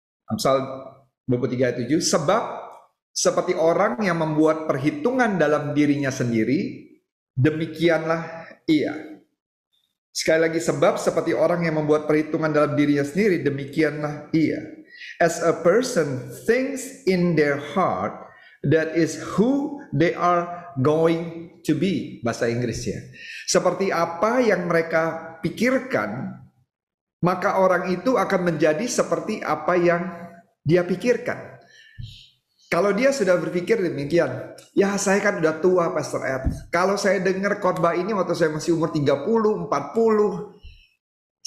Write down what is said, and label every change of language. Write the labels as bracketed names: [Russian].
[Indonesian] Amsal 23 ayat 7. Sebab seperti orang yang membuat perhitungan dalam dirinya sendiri, demikianlah ia. Sekali lagi, sebab seperti orang yang membuat perhitungan dalam dirinya sendiri, demikianlah ia. [English] As a person thinks in their heart, that is who they are going to be. [Indonesian] Bahasa Inggrisnya. Seperti apa yang mereka pikirkan, maka orang itu akan menjadi seperti apa yang dia pikirkan. Kalau dia sudah berpikir demikian, ya saya kan udah tua, Pastor Ed. Kalau saya dengar khotbah ini waktu saya masih umur 30, 40,